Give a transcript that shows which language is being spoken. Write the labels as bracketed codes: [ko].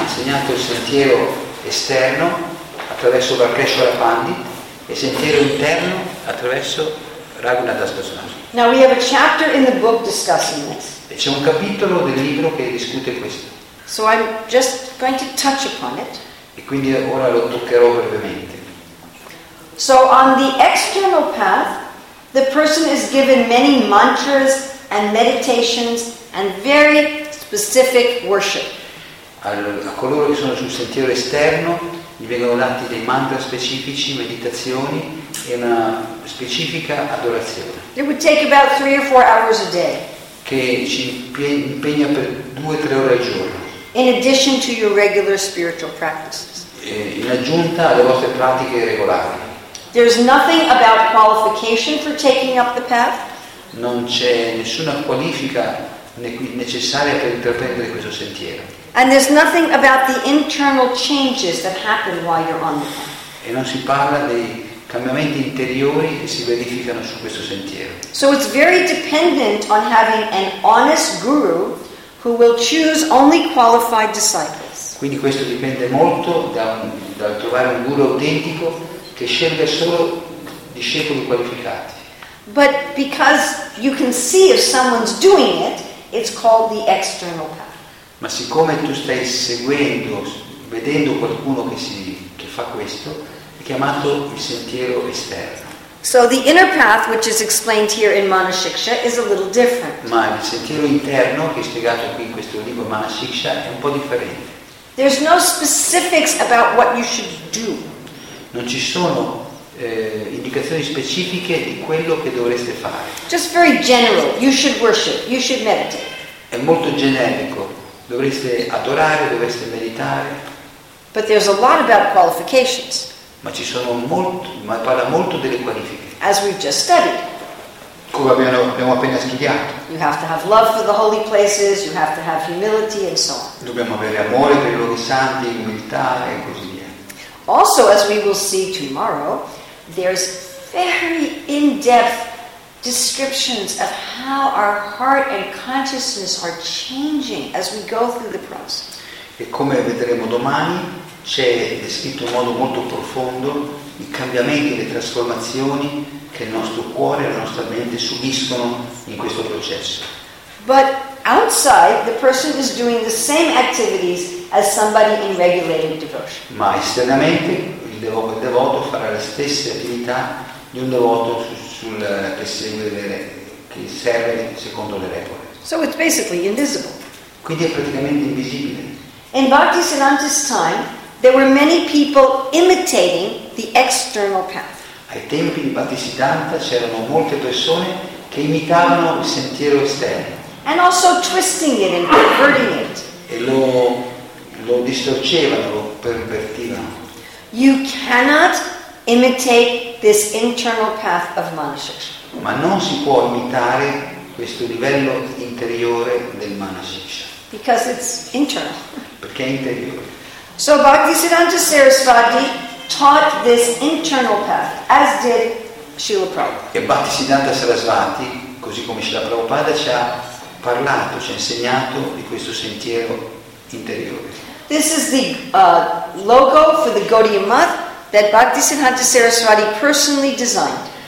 [it] Ha insegnato il sentiero esterno attraverso Vikeshwara Pandit e il sentiero interno attraverso Raghunath Das Goswami. [en] Now we have a chapter in the book discussing this. [it] E c'è un capitolo del libro che discute questo. [en] So I'm just going to touch upon it. [it] E quindi ora lo toccherò brevemente. [en] So on the external path, the person is given many mantras and meditations and very specific worship. [it] A coloro che sono sul sentiero esterno, gli vengono dati dei mantra specifici, meditazioni e una specifica adorazione. [en] It would take about 3 or 4 hours a day. [it] Che ci impegna per 2 o 3 ore al giorno. [en] In addition to your regular spiritual practices. [it] In aggiunta alle vostre pratiche regolari. [en] There's nothing about qualification for taking up the path. [it] Non c'è nessuna qualifica necessaria per intraprendere questo sentiero. [en] And there's nothing about the internal changes that happen while you're on the path. [it] E non si parla dei cambiamenti interiori che si verificano su questo sentiero. [en] So it's very dependent on having an honest guru who will choose only qualified disciples. [it] Quindi questo dipende molto da trovare un guru autentico che sceglie solo discepoli qualificati. [en] But because you can see if someone's doing it, it's called the external path. [it] Ma siccome tu stai seguendo, vedendo qualcuno che fa questo, è chiamato il sentiero esterno. [en] So the inner path, which is explained here in Manashiksha, is a little different. [it] Ma il sentiero interno, che è spiegato qui in questo libro Manashiksha, è un po' differente. [en] There's no specifics about what you should do. [it] Non ci sono indicazioni specifiche di quello che dovreste fare. [en] Just very general. You should worship. You should meditate. [it] È molto generico. Dovreste adorare, dovreste meditare. [en] But there's a lot about qualifications. [it] Ma ci sono molto, ma parla molto delle qualifiche. [en] As we've just studied. [it] Come abbiamo appena studiato. [en] You have to have love for the holy places. You have to have humility and so on. [it] Dobbiamo avere amore per i luoghi santi, umiltà e così via. [en] Also, as we will see tomorrow, there's very in-depth descriptions of how our heart and consciousness are changing as we go through the process. [it] E come vedremo domani, c'è descritto in modo molto profondo i cambiamenti, le trasformazioni che il nostro cuore e la nostra mente subiscono in questo processo. [en] But outside, the person is doing the same activities as somebody in regulated devotion. [it] Ma esternamente il devoto farà le stesse attività di un devoto che serve secondo le regole. [en] So it's basically invisible. [it] Quindi è praticamente invisibile. [en] In Bhaktisiddhanta's time, there were many people imitating the external path. [it] Ai tempi di Bhaktisiddhanta c'erano molte persone che imitavano il sentiero esterno. [en] And also twisting it and perverting it. [it] E lo distorcevano, lo pervertivano. [en] You cannot imitate this internal path of Manashiksha. [it] Ma non si può imitare questo livello interiore del Manashiksha. [en] Because it's internal. [it] Perché è interiore. [en] So Bhaktisiddhanta Sarasvati taught this internal path, as did Srila Prabhupada. [it] E Bhaktisiddhanta Sarasvati, così come Srila Prabhupada, ci ha parlato, ci ha insegnato di questo sentiero interiore. [en] This is the logo for the Gaudiya Math that Bhaktisiddhanta Sarasvati personally designed.